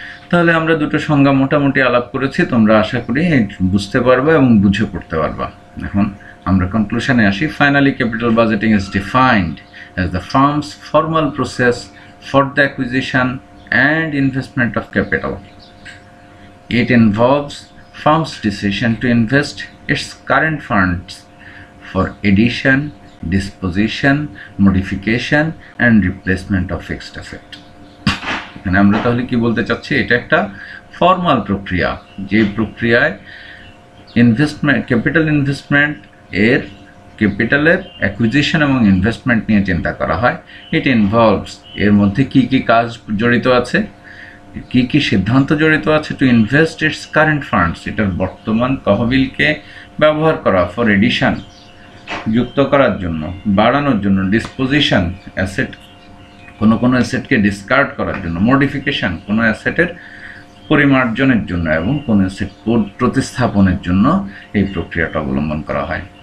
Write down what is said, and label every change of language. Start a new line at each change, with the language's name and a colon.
Bangla: তাহলে আমরা দুটো সংজ্ঞা মোটামুটি আলাপ করেছি, তোমরা আশা করি বুঝতে পারবা এবং বুঝে পড়তে পারবা। এখন আমরা কনক্লুশনে আসি।
English: Finally capital budgeting is defined as the firm's formal process for the acquisition and investment of capital. It involves firm's decision to invest its current funds for addition, disposition, modification and replacement of fixed asset.
Bangla: এখানে আমরা তাহলে কি বলতে চাচ্ছি, এটা একটা formal প্রক্রিয়া, যে প্রক্রিয়ায় ইনভেস্টমেন্ট ক্যাপিটাল ইনভেস্টমেন্ট এর ক্যাপিটালের অ্যাকুইজিশন এবং ইনভেস্টমেন্ট নিয়ে চিন্তা করা হয়।
English: it involves,
Bangla: এর মধ্যে কী কী কাজ জড়িত আছে, কী কী সিদ্ধান্ত জড়িত আছে,
English: to invest its current funds,
Bangla: এটার বর্তমান তহবিলকে ব্যবহার করা, ফর এডিশন যুক্ত করার জন্য, বাড়ানোর জন্য, ডিসপোজিশন অ্যাসেট কোনো কোনো অ্যাসেটকে ডিসকার্ড করার জন্য, মডিফিকেশান কোনো অ্যাসেটের পরিমার্জনের জন্য, এবং কোনো অ্যাসেট প্রতিস্থাপনের জন্য এই প্রক্রিয়াটা অবলম্বন করা হয়।